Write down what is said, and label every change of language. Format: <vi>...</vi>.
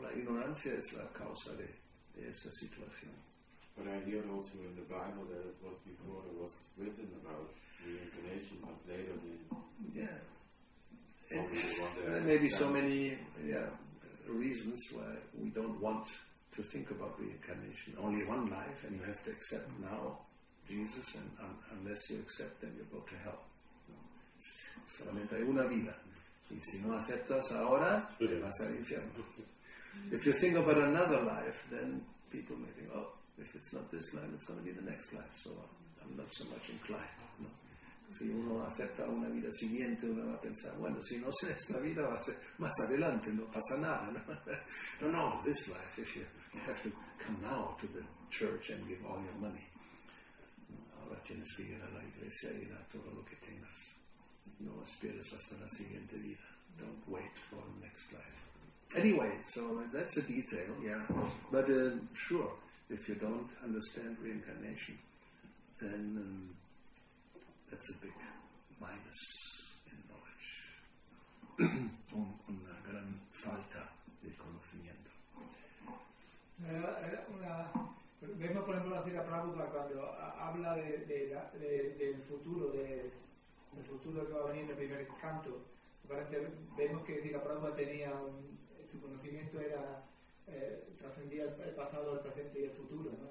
<es>La ignorancia es la causa de esa situación.</es> <en>But I hear also in the Bible that it was before it was written about reincarnation, but later the maybe so many reasons why we don't want to think about reincarnation. Only one life, and you have to accept now Jesus, and unless you accept, then you go to hell.</en> <es>Solamente hay una vida. Y si no aceptas ahora, te vas al infierno.</es> <en>If you think about another life, then people may think, oh, if it's not this life, it's going to be the next life. So I'm not so much inclined. No.</en> <es>Si uno acepta una vida siguiente, uno va a pensar, bueno, si no sé esta vida, va a ser más adelante, no pasa nada.</es> <en>No, no, no, this life, if you have to come now to the church and give all your money,</en> <es>ahora tienes que ir a la iglesia y dar todo lo que tengas. No esperes hasta la siguiente vida.</es> <en>Don't wait for the next life. Anyway, so that's a detail, yeah. But sure, if you don't understand reincarnation, then that's a big minus in knowledge.</en> <es>Una gran falta de conocimiento. Vemos, por ejemplo, la cita de Prabhupada cuando habla del futuro, el futuro que va a venir en el primer canto. Vemos que si la Prabhupada tenía su conocimiento era trascendía el pasado, el presente y el futuro, ¿no?</es>